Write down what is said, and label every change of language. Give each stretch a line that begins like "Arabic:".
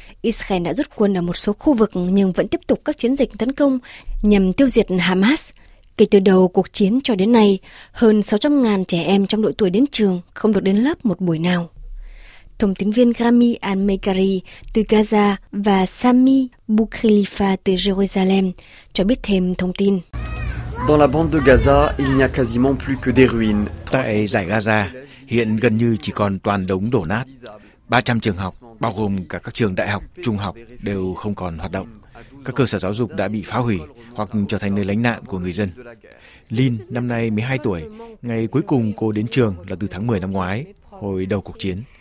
Vietnamese: Israel đã rút quân ở một số khu vực nhưng vẫn tiếp tục các chiến dịch tấn công nhằm tiêu diệt Hamas. Kể từ đầu cuộc chiến cho đến nay, hơn 600.000 trẻ em trong độ tuổi đến trường không được đến lớp một buổi nào. Thông tấn viên Rami Al-Megari từ Gaza và Sami Boukhalifa từ Jerusalem cho biết thêm thông tin.
French: Dans la bande de Gaza, il n'y a quasiment plus que des ruines.
Vietnamese: Tại dải Gaza, hiện gần như chỉ còn toàn đống đổ nát. 300 trường học, bao gồm cả các trường đại học, trung học, đều không còn hoạt động. Các cơ sở giáo dục đã bị phá hủy hoặc trở thành nơi lánh nạn của người dân. Lin, năm nay 12 tuổi, ngày cuối cùng cô đến trường là từ tháng 10 năm ngoái, hồi đầu cuộc chiến.